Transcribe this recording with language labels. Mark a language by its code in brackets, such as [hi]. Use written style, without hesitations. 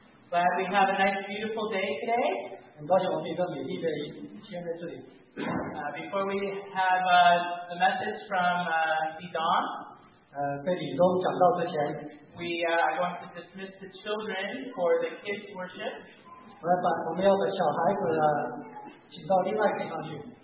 [en] Glad we have a nice beautiful day today. [zh] 很高兴我们有一个美丽的一天在这里。 [en] Before we have the message from Didon, [zh] 在李东讲到之前 [en] we want to dismiss the children for the kids worship. [zh] 我要把我们要的小孩子请到另外地方去。